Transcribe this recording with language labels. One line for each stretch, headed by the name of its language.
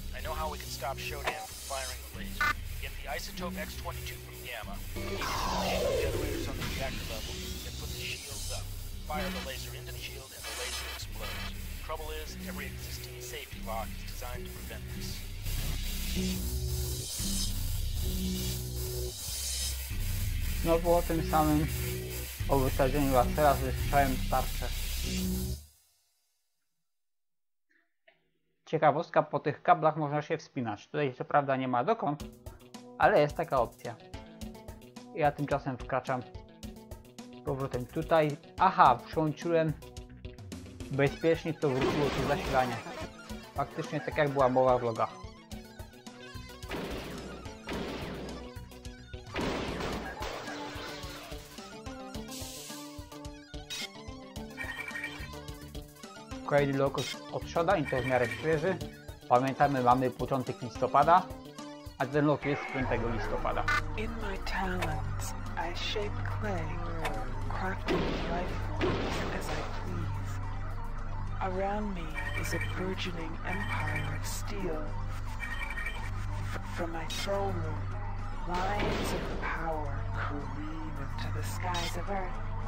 English: I know how we can stop Shodan from firing the laser. Get the isotope X-22 from Gamma. Generators on the reactor level and put the shields up. Fire the laser into the shield and the laser explodes. Trouble is, every existing safety lock is designed to prevent this.
Polish: No było tym samym o wysadzeniu, a teraz wystrzałem tarczę. Ciekawostka, po tych kablach można się wspinać. Tutaj co prawda nie ma dokąd, ale jest taka opcja. Ja tymczasem wkraczam z powrotem tutaj. Aha, przyłączyłem. Bezpiecznie to wróciło się zasilanie. Faktycznie tak jak była mowa w logach. Kolejny log odszedł i to w miarę świeży. Pamiętamy, mamy początek listopada, a ten log jest 5 listopada.
English: In my talents, I shape clay, crafting life forms as I please. Around me is a burgeoning empire of steel. From my throne room, lines of power careen into the skies of Earth.